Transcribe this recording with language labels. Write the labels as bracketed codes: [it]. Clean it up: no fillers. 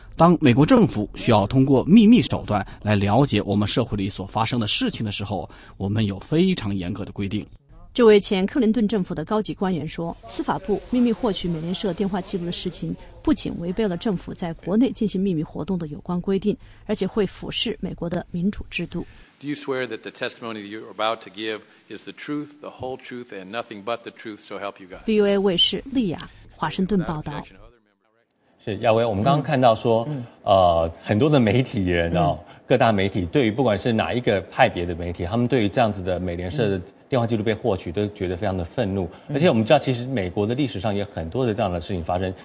[zh] 当美国政府需要通过秘密手段来了解我们社会里所发生的事情的时候，我们有非常严格的规定。这位前克林顿政府的高级官员说，司法部秘密获取美联社电话记录的事情不仅违背了政府在国内进行秘密活动的有关规定，而且会腐蚀美国的民主制度。 [en] Do you swear that the testimony that you're about to give is the truth, the whole truth, and nothing but the truth, so help you God? [zh] VOA 卫视莉亚，华盛顿报道。是亚威，我们刚刚看到说，很多的媒体人哦，各大媒体对于不管是哪一个派别的媒体，他们对于这样子的美联社的电话记录被获取，都觉得非常的愤怒。而且我们知道，其实美国的历史上也很多的这样的事情发生。